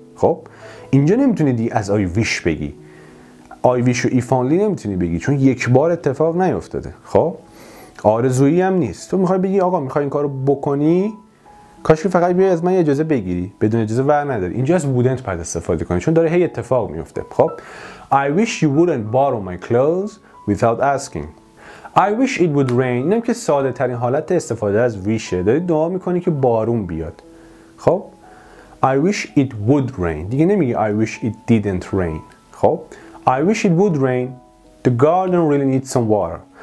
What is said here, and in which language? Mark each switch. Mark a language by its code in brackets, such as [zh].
[fa] خب اینجا نمیتونی دی از I wish بگی. I wish و if only نمیتونی بگی چون یک بار اتفاق نیفتاده. خب آرزویی هم نیست. تو میخوای بگی آقا میخوای این کارو بکنی، کاش که فقط بیای از من اجازه بگیری، بدون اجازه ور نداری. اینجا از wouldn't باید استفاده کنی چون داره هی اتفاق میفته. [en] خب I wish you wouldn't borrow my clothes without asking. I wish it would rain. [fa] اینم که ساده ترین حالت استفاده از wish، داری دعا میکنی که بارون بیاد. [en] خب I wish it would rain [fa] دیگه نمیگی [en] I wish it didn't rain. خب I wish it would rain. The garden really needs some water.